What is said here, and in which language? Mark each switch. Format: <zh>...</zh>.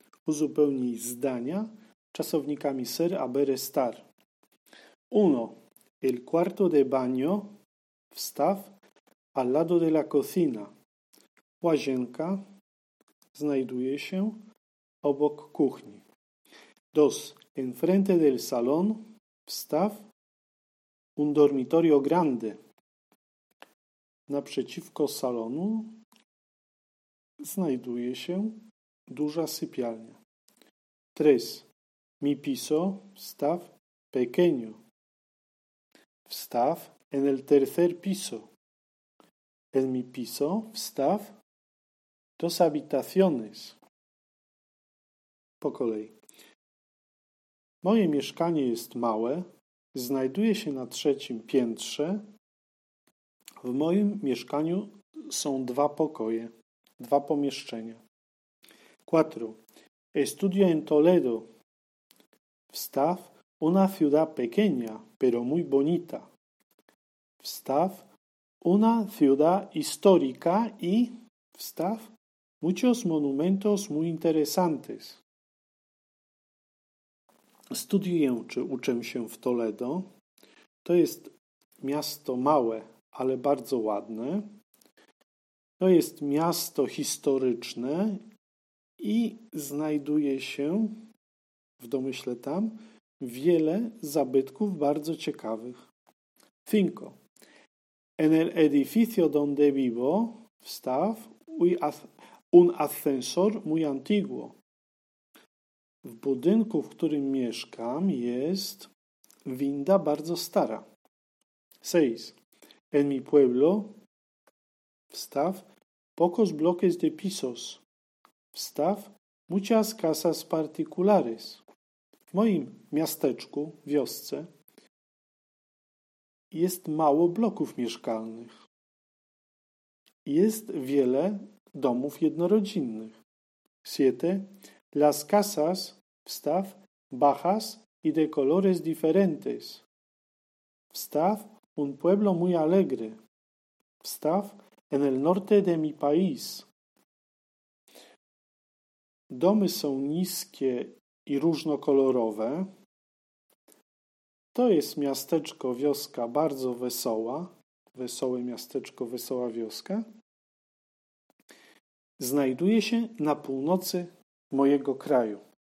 <pl>Uzupełnij zdania czasownikami ser, haber, estar. 1.</pl> <es>El cuarto de baño, wstaw, al lado de la cocina.</es> <pl>Łazienka znajduje się obok kuchni. 2.</pl> <es>Enfrente del salón, wstaw, un dormitorio grande.</es> <pl>Naprzeciwko salonu znajduje się duża sypialnia.</pl> <es>3. Mi piso, wstaw, pequeño. Wstaw, en el tercer piso. En mi piso, wstaw, dos habitaciones.</es> <pl>Po kolei. Moje mieszkanie jest małe, znajduje się na trzecim piętrze. W moim mieszkaniu są dwa pokoje, dwa pomieszczenia.</pl> <es>4. Estudio en Toledo. Wstaw, una ciudad pequeña, pero muy bonita. Wstaw, una ciudad histórica y, wstaw, muchos monumentos muy interesantes.</es> <pl>Studiuję, czy uczę się w Toledo. To jest miasto małe, ale bardzo ładne. To jest miasto historyczne i znajduje się, w domyśle tam, wiele zabytków bardzo ciekawych. 5.</pl> <es>En el edificio donde vivo, wstaw, un ascensor muy antiguo.</es> <pl>W budynku, w którym mieszkam, jest winda bardzo stara. 6.</pl> <es>En mi pueblo, wstaw, pocos bloques de pisos, wstaw, muchas casas particulares.</es> <pl>W moim miasteczku, wiosce, jest mało bloków mieszkalnych. Jest wiele domów jednorodzinnych. 7.</pl> <es>Las casas, wstaw, bajas y de colores diferentes. Wstaw, un pueblo muy alegre. Wstaw, en el norte de mi país.</es> <pl>Domy są niskie i różnokolorowe. To jest miasteczko, wioska bardzo wesoła. Wesołe miasteczko, wesoła wioska. Znajduje się na północy mojego kraju.</pl>